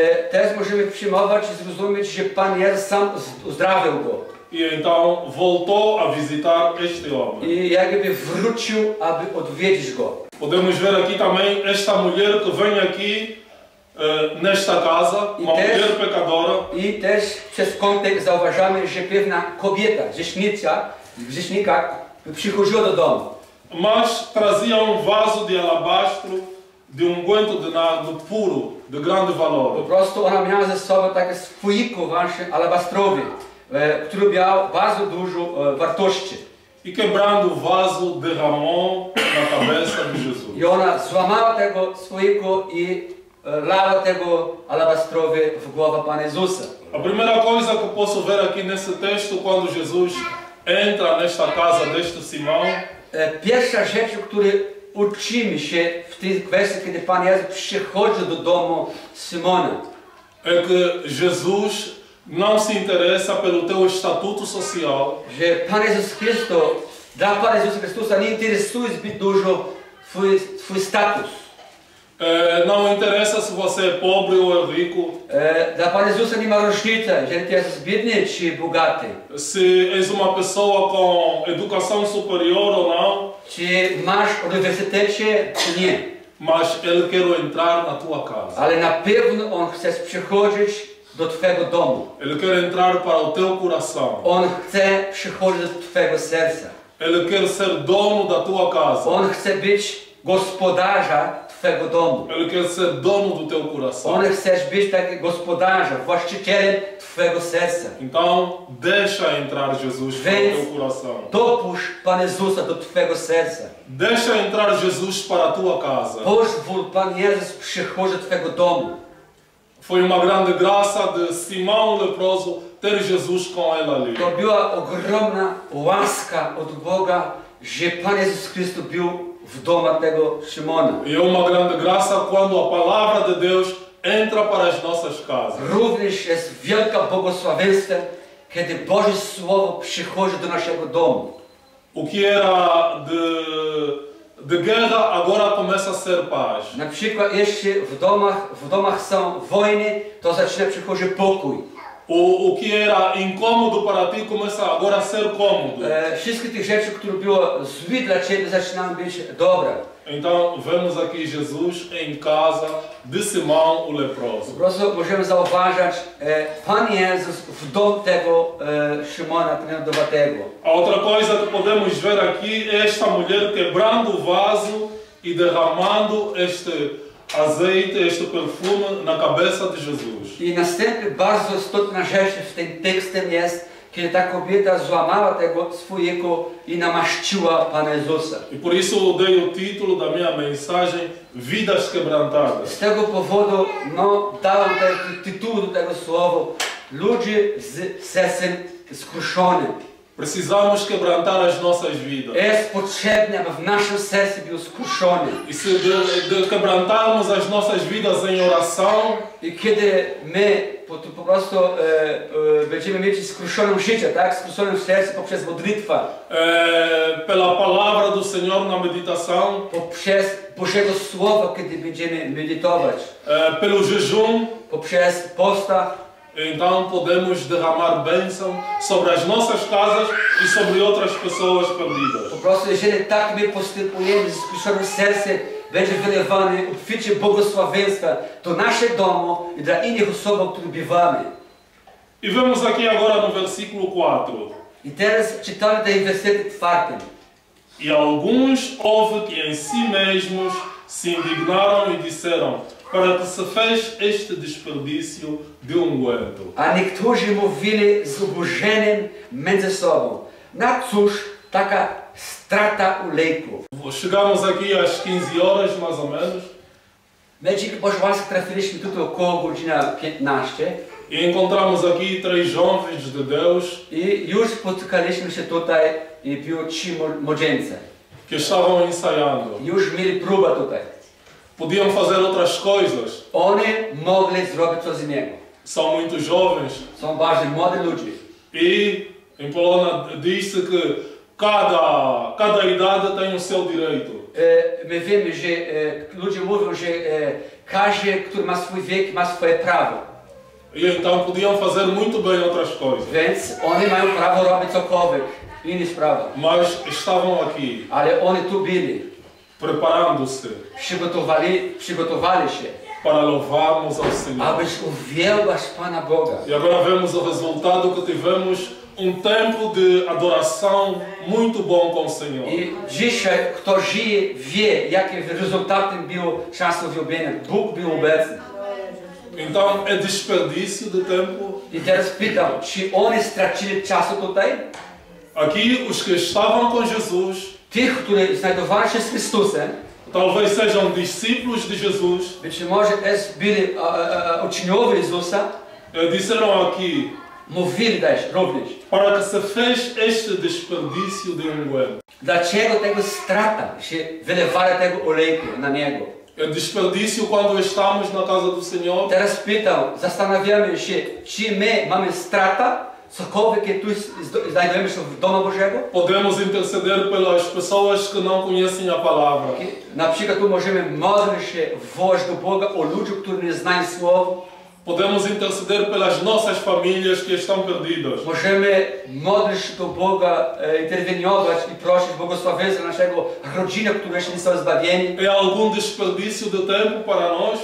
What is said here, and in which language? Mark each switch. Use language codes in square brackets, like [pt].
[pl] Teraz możemy przyjmować i zrozumieć, że Pan Jezus sam uzdrawił go. [pt] I então voltou a visitar este homem. [pl] I jakby wrócił, aby odwiedzić go. [pt] Podemos ver aqui também esta mulher que vem aqui nesta casa, uma mulher pecadora. [pl] I też przez kontekst zauważamy, że pewna kobieta, grzesznika, przychodziła do domu. [pt] Mas trazia um vaso de alabastro de um unguento de nardo puro, de grande valor. [pl] Po prostu ona miała ze sobą taki słoik alabastrowy, który miał bardzo dużo wartości. [pt] I quebrando o vaso derramou na cabeça de Jesus. [pl] I ona złamała tego słoiku i lała tego alabastrowy w głowę Pana Jezusa. [pt] A primeira coisa que posso ver aqui nesse texto, quando Jesus entra nesta casa deste Simão, [pl] pierwsza rzecz, o której uczymy się w tej kwestii, kiedy Pan Jezus przychodzi do domu Simona, [pt] é que Jesus não se interessa pelo teu estatuto social. [pl] Że Pan Jezus Chrystus, dla Pana Jezusa Chrystusa nie interesuje zbyt dużo twój status. [pt] Não interessa se você é pobre ou é rico. [pl] Dla Pana Jezusa nie ma różnicy, że ty jesteś biedny czy bogaty. [pt] Se és uma pessoa com educação superior ou não. [pl] Czy masz uniwersytecie czy nie. [pt] Mas ele quer entrar na tua casa. [pl] Ale na pewno on chce przychodzić do twojego domu. [pt] Ele quer entrar para o teu coração. [pl] On chce przychodzić do twojego serca. [pt] Ele quer ser dono da tua casa. [pl] On chce być gospodarza twojego domu. [pt] Ele quer ser dono do teu coração. [pl] On chce być taki gospodarza, właścicielem twojego serca. [pt] Então, deixa entrar Jesus no teu coração. [pl] Dopuść Pan Jezusa do twojego serca. [pt] Deixa entrar Jesus para a tua casa. [pl] Pozwól Pan Jezus przychodzić do twojego domu. [pt] Foi uma grande graça de Simão leproso ter Jesus com ele ali. [pl] To była ogromna łaska od Boga, że Pan Jezus Chrystus był w domu tego Szymona. [pt] E uma grande graça quando a palavra de Deus entra para as nossas casas. [pl] Również jest wielka błogosławieństwo, kiedy Boże Słowo przychodzi do naszego domu. [pt] O que era de guerra, agora começa a ser paz. [pl] Na przykład jeszcze w domach są wojny, to zaczyna przychodzić pokój. [pt] O que era incômodo para ti, começa agora a ser cômodo. [pl] Wszystkie te rzeczy, które były złe dla ciebie, zaczynają być dobre. [pt] Então vemos aqui Jesus em casa de Simão o leproso. [pl] Po prostu możemy zauważyć Pan Jezus w domu tego Szymona Trendowatego. [pt] A outra coisa que podemos ver aqui é esta mulher quebrando o vaso e derramando este azeite, este perfume na cabeça de Jesus. [pl] I następna bardzo istotna rzecz w tym tekście jest, kiedy ta kobieta złamała tego swojego i namaściła Pana Jezusa. [pt] I por isso dei o título da minha mensagem, Vidas Quebrantadas. [pl] Z tego powodu no dałem taki tytuł do tego słowa, Ludzie z sercem skruszonym. [pt] Precisamos quebrantar as nossas vidas. [pl] É potrzebne, aby w naszym sercu był skruszony. [pt] E se quebrantarmos as nossas vidas em oração. [pl] I kiedy my po prostu będziemy mieć skruszonym życie, tak? Skruszonym sercu poprzez modlitwę. [pt] Pela palavra do Senhor na meditação. [pl] Poprzez Bożego Słowa, kiedy będziemy medytować. [pt] Pelo jejum. [pl] Poprzez posta. [pt] Então podemos derramar bênção sobre as nossas casas e sobre outras pessoas perdidas. [pl] Po prostu, jeżeli tak my postępujemy z skruszonym sercem, będzie wylewany obficie błogosławieństwa do naszego domu i dla innych osób, które bywamy. [pt] I vemos aqui agora no versículo 4. [pl] I teraz czytamy ten werset 4. [pt] E alguns houve que em si mesmos se indignaram e disseram: para que se fez este desperdício de unguento? [pl] A niektórzy mówili z oburzeniem między sobą: na cóż taka strata oleju? [pt] Chegamos aqui às 15 horas, mais ou menos. [pl] My dzięki Bożej łasce trafiliśmy tutaj około godzina 15. [pt] E encontramos aqui três jovens de Deus. [pl] I już spotkaliśmy się tutaj i było 3 młodzieńce. [pt] Que estavam ensaiando. [pl] Już mieli próbę tutaj. [pt] Podiam fazer outras coisas. [pl] Oni mogli zrobić coś innego. [pt] São muito jovens. [pl] Są bardzo młodzi ludzie. [pt] I em Polônia diz-se que cada idade tem o seu direito. [pl] My wiemy, że ludzie mówią, że każdy, który ma swój wiek, ma swoje prawo. [pt] I então podiam fazer muito bem outras coisas. [pl] Więc oni mają prawo robić cokolwiek, inne sprawy. [pt] Mas estavam aqui. [pl] Ale oni tu byli. [pt] Preparando-se. [pl] Przygotowali się. [pt] Para louvarmos ao Senhor. [pl] Abyś uwielbiać Pana Boga. [pt] E agora vemos o resultado que tivemos, tempo de adoração muito bom com o Senhor. [pl] I dzisiaj, kto żyje, wie, jakim rezultatem był czas uwielbienia. Bóg był obecny. [pt] Então, é desperdício de tempo. [pl] I teraz pytam, czy oni stracili czas tutaj? [pt] Aqui, os que estavam com Jesus. [pl] Tych, które znajdowali się z Chrystusem. [pt] Talvez sejam discípulos de Jesus. [pl] Być może byli uczniowie Jezusa. [pt] Disseram aqui. [pl] Mówili też również. [pt] Para que se fez este desperdício de unguento. [pl] Dlaczego tego strata, się wylewali tego oleju na niego? [pt] É desperdício quando estamos na casa do Senhor. [pl] Teraz pytam, zastanawiamy się, czy my mamy strata? Cokolwiek tu znajdujemy się w domu Bożego? [pt] Podemos interceder pelas pessoas que não conhecem a palavra. [pl] Na przykład tu możemy modlić się woz do Boga o ludzi, którzy nie znają słowa. [pt] Podemos interceder pelas nossas famílias que estão perdidas. [pl] Możemy modlić się do Boga, interweniować i prosić błogosławieństwa naszego rodziny, które jeszcze nie są zbawieni. [pt] É algum desperdício de tempo para nós?